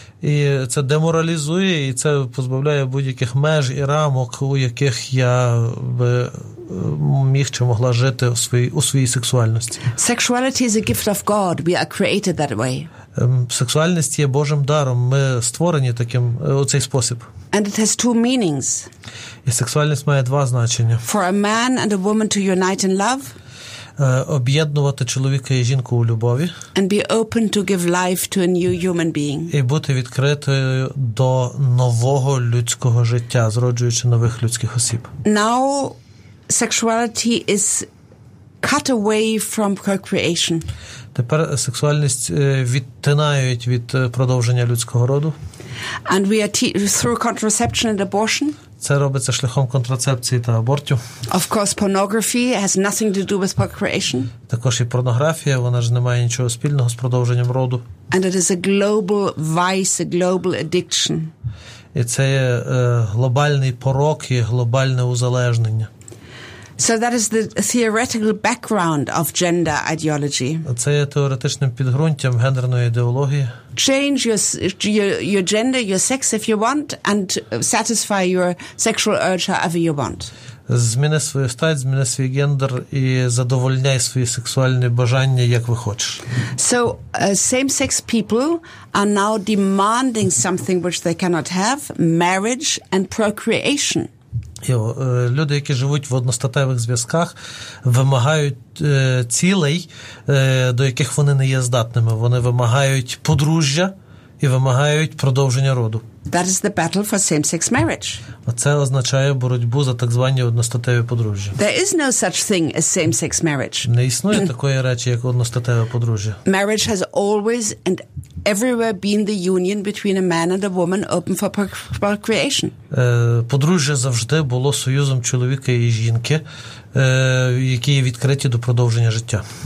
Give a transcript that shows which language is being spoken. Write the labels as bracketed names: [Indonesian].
[Ukrainian] І це деморалізує, і це позбавляє будь-яких меж і рамок, у яких я би міг чи могла жити у своїй сексуальності. [English] Sexuality is a gift of God. We are created that way. [Ukrainian] Сексуальність є Божим даром. Ми створені таким у цей спосіб. [English] And it has two meanings. [Ukrainian] І сексуальність має два значення. [English] For a man and a woman to unite in love. [Ukrainian] Об'єднувати чоловіка і жінку у любові. [English] And be open to give life to a new human being. [Ukrainian] І бути відкритою до нового людського життя, зроджуючи нових людських осіб. [English] Now sexuality is cut away from procreation. [Ukrainian] Тепер сексуальність відтинають від продовження людського роду. [English] And we are through contraception and abortion. [Ukrainian] Це робиться шляхом контрацепції та абортів. [English] Of course, pornography has nothing to do with procreation. [Ukrainian] Також і порнографія, вона ж не має нічого спільного з продовженням роду. [English] And it is a global vice, a global addiction. [Ukrainian] І це є глобальний порок і глобальне узалежнення. [English] So that is the theoretical background of gender ideology. [Ukrainian] Це є теоретичним підґрунтям гендерної ідеології. [English] Change your gender, your sex if you want, and satisfy your sexual urge however you want. [Ukrainian] Зміни свою стать, зміни свій гендер і задовольняй свої сексуальні бажання, як ви хочеш. [English] So, same-sex people are now demanding something which they cannot have, marriage and procreation. [Ukrainian] Люди, які живуть в одностатевих зв'язках, вимагають цілей, до яких вони не є здатними. Вони вимагають подружжя і вимагають продовження роду. [English] That is the battle for same-sex marriage. [Ukrainian] Це означає боротьбу за так звані одностатеві подружжя. [English] There is no such thing as same-sex marriage. [Ukrainian] Не існує такої речі, як одностатеве подружжя. [English] Marriage has always and everywhere been the union between a man and a woman open for procreation? [Ukrainian] Подружжя завжди було союзом чоловіка і жінки, які є відкриті до продовження життя.